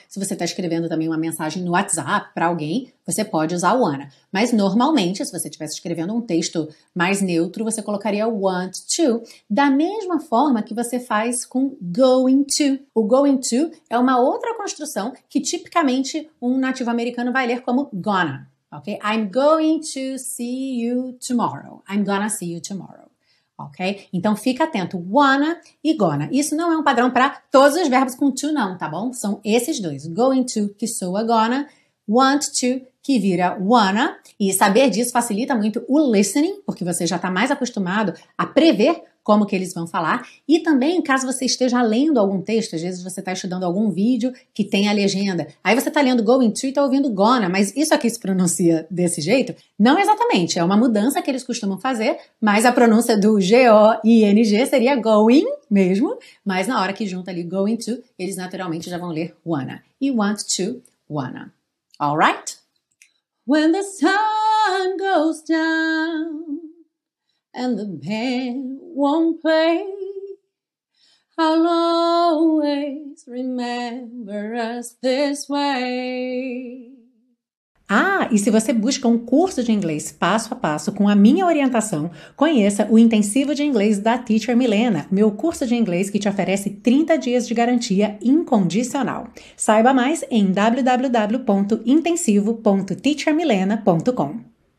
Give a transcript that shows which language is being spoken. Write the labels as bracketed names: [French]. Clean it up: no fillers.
[Portuguese] Se você está escrevendo também uma mensagem no WhatsApp para alguém, você pode usar o wanna. Mas normalmente, se você estivesse escrevendo um texto mais neutro, você colocaria o want to, da mesma forma que você faz com going to. O going to é uma outra construção que tipicamente um nativo americano vai ler como gonna, ok? [English] I'm going to see you tomorrow. I'm gonna see you tomorrow. Ok? [Portuguese] Então fica atento, wanna e gonna. Isso não é um padrão para todos os verbos com to, não, tá bom? São esses dois, going to, que soa gonna, want to, que vira wanna. E saber disso facilita muito o listening, porque você já está mais acostumado a prever como que eles vão falar. E também, caso você esteja lendo algum texto, às vezes você está estudando algum vídeo que tem a legenda. Aí você está lendo going to e está ouvindo gonna, mas isso aqui se pronuncia desse jeito? Não exatamente, é uma mudança que eles costumam fazer, mas a pronúncia do G-O-I-N-G seria going mesmo, mas na hora que junta ali going to, eles naturalmente já vão ler wanna. [English] E want to, wanna. All right? When the sun goes down and the band won't play, I'll always remember us this way. [Portuguese] Ah, e se você busca um curso de inglês passo a passo com a minha orientação, conheça o Intensivo de Inglês da Teacher Milena, meu curso de inglês que te oferece 30 dias de garantia incondicional. Saiba mais em www.intensivo.teachermilena.com.